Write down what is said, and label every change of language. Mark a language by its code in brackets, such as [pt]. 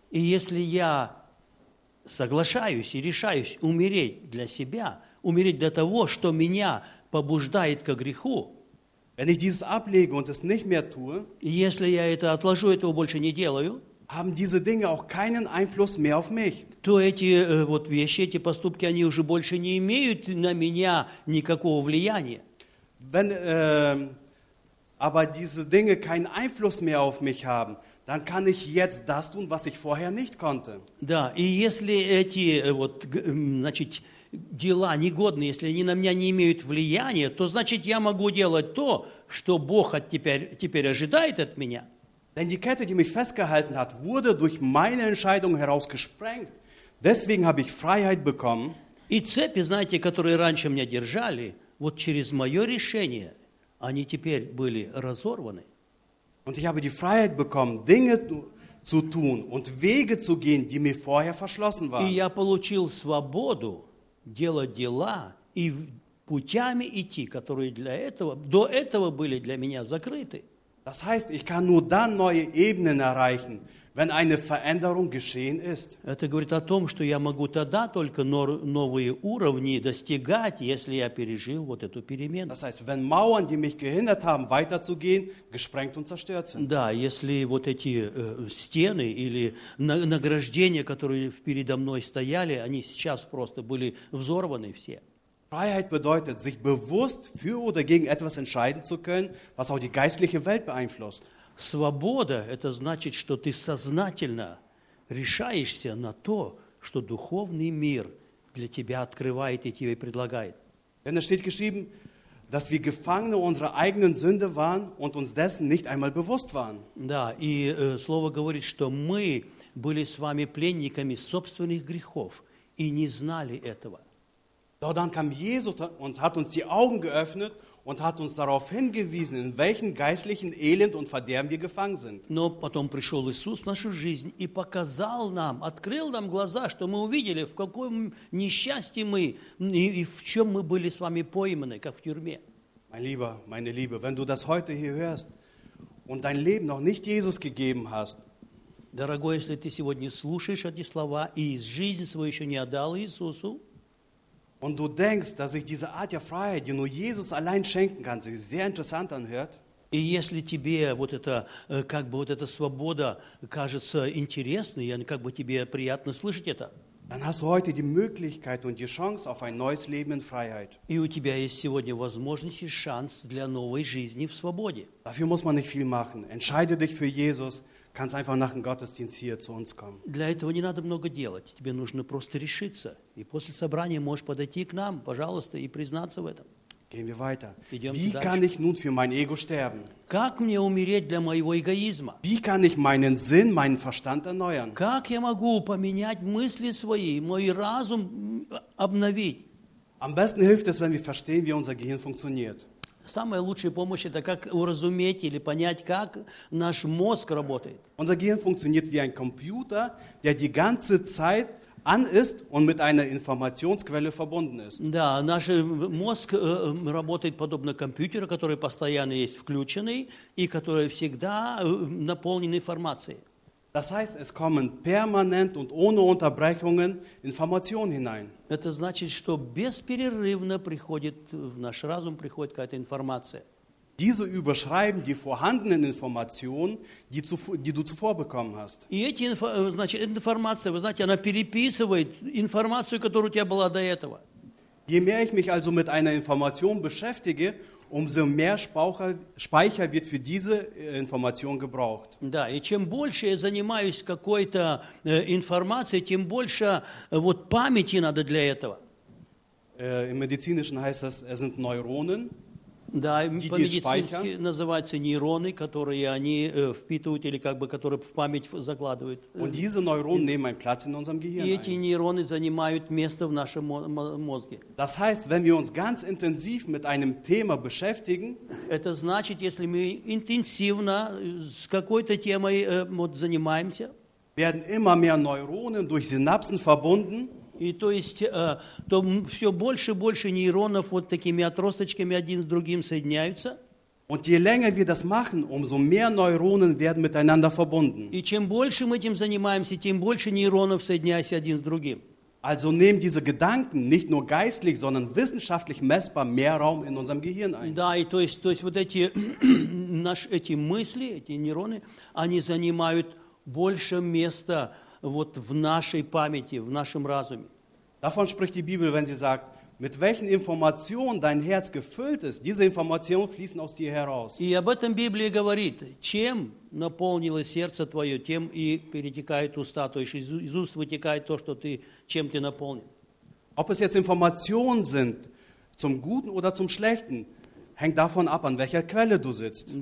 [ru] и если я соглашаюсь и решаюсь умереть для себя, умереть для того, что меня побуждает ко греху, [de] wenn ich dieses ablege und es nicht mehr tue, [ru] и если я это отложу, этого больше не делаю, [de] haben diese Dinge auch keinen Einfluss mehr auf mich. [ru] То эти вот вещи, эти поступки, они уже больше не имеют на меня никакого влияния. [de] Wenn aber diese Dinge keinen Einfluss mehr auf mich haben, dann kann ich jetzt das tun, was ich vorher nicht konnte. [ru] Да, и если эти вот, значит, дела негодные, если они на меня не имеют влияния, то значит я могу делать то, что Бог от теперь ожидает от меня. [de] Denn die Kette, die mich festgehalten hat, wurde durch meine Entscheidung herausgesprengt. Deswegen habe ich Freiheit bekommen. [ru] И цепи, знаете, которые раньше меня держали, вот через мое решение, они теперь были разорваны. [de] Und ich habe die Freiheit bekommen, Dinge zu tun und Wege zu gehen, die mir vorher verschlossen waren. [ru] И я получил свободу делать дела и путями идти, которые для этого, до этого были для меня закрыты. [de] Das heißt, ich kann nur dann neue Ebenen erreichen, wenn eine Veränderung geschehen ist. [ru] Это говорит о том, что я могу тогда только новые уровни достигать, если я пережил вот эту перемену. [de] Das heißt, wenn Mauern, die mich gehindert haben, weiterzugehen, gesprengt und zerstört sind. [ru] Да, если вот эти стены или награждения, которые передо мной стояли, они сейчас просто были взорваны все. [de] Freiheit bedeutet, sich bewusst für oder gegen etwas entscheiden zu können, was auch die geistliche Welt beeinflusst. [ru] Свобода – это значит, что ты сознательно решаешься на то, что духовный мир для тебя открывает и тебе предлагает. [de] Denn es steht geschrieben, dass wir Gefangene unserer eigenen Sünde waren und uns dessen nicht einmal bewusst waren. [ru] Да, и слово говорит, что мы были с вами пленниками собственных грехов и не знали этого. [de] Doch dann kam Jesus und hat uns die Augen geöffnet und hat uns darauf hingewiesen, in welchem geistlichen Elend und Verderben wir gefangen sind. [ru] Но потом пришел Иисус в нашу жизнь и показал нам, открыл нам глаза, что мы увидели, в каком несчастье мы и в чем мы были с вами пойманы, как в тюрьме. [de] Mein Lieber, meine Liebe, wenn du das heute hier hörst und dein Leben noch nicht Jesus gegeben hast, [ru] дорогой, если ты сегодня слушаешь эти слова и жизнь свою еще не отдал Иисусу, [de] und du denkst, dass ich diese Art der Freiheit, die nur Jesus allein schenken kann, sich sehr interessant anhört. [ru] И если тебе вот это, как бы вот эта свобода кажется интересной, и как бы тебе приятно слышать это, [de] dann hast du heute die Möglichkeit und die Chance auf ein neues Leben in Freiheit. [ru] И у тебя есть сегодня возможность и шанс для новой жизни в свободе. [de] Dafür muss man nicht viel machen. Entscheide dich für Jesus, kannst einfach nach dem Gottesdienst hier zu uns kommen. [ru] Для этого не надо много делать. Тебе нужно просто решиться. И после собрания можешь подойти к нам, пожалуйста, и признаться в этом. [de] Gehen wir weiter. Wie kann ich nun für mein Ego sterben? [ru] Как мне умереть для моего эгоизма? [de] Wie kann ich meinen Sinn, meinen Verstand erneuern? [ru] Как я могу поменять мысли свои, мой разум обновить? [de] Am besten hilft es, wenn wir verstehen, wie unser Gehirn funktioniert. [ru] Самая лучшая помощь – это как уразуметь или понять, как наш мозг работает. [de] Unser Gehirn funktioniert wie ein Computer, der die ganze Zeit an ist und mit einer Informationsquelle verbunden ist. [ru] Да, наш мозг работает подобно компьютеру, который постоянно есть включенный и который всегда наполнен информацией. [de] Das heißt, es kommen permanent und ohne Unterbrechungen Informationen hinein. [ru] Это значит, что бесперерывно приходит в наш разум приходит какая-то информация. [de] Diese überschreiben die vorhandenen Informationen, die du zuvor bekommen hast. [ru] И эти информация, вы знаете, она переписывает информацию, которая у тебя была до этого. [de] Je mehr ich mich also mit einer Information beschäftige, umso mehr Speicher wird für diese Information gebraucht. [ru] Да, и чем больше я занимаюсь какой-то информацией, тем больше вот памяти надо для этого. [de] Im Medizinischen heißt das, es sind Neuronen. [ru] Да, по-медицински называются нейроны, которые они впитывают или как бы которые в память закладывают. [de] Und diese Neuronen nehmen einen Platz in unserem Gehirn. [ru] И эти нейроны занимают место в нашем мозге. [de] Das heißt, wenn wir uns ganz intensiv mit einem Thema beschäftigen, [ru] это значит, если мы интенсивно с какой-то темой вот занимаемся, [de] werden immer mehr Neuronen durch Synapsen verbunden. [ru] И то есть то все больше и больше нейронов вот такими отросточками один с другим соединяются. [de] Und je länger wir das machen, umso mehr Neuronen werden miteinander verbunden. [ru] И чем больше мы этим занимаемся, тем больше нейронов соединяется один с другим. [de] Also nehmen diese Gedanken nicht nur geistlich, sondern wissenschaftlich messbar mehr Raum in unserem Gehirn ein. [ru] Да, и то есть вот эти наши эти мысли, эти нейроны, они занимают больше места вот в нашей памяти, в нашем разуме. [de] Davon spricht die Bibel, wenn sie sagt: Mit welchen Informationen dein Herz gefüllt ist, diese Informationen fließen aus dir heraus. [ru] И об этом Библия говорит: чем наполнилось сердце твое, тем и перетекает уста, то есть из уст вытекает то, что ты, чем ты наполнен. [de] Ob es jetzt Informationen sind, zum Guten oder zum Schlechten, hängt davon ab, an welcher Quelle du sitzt.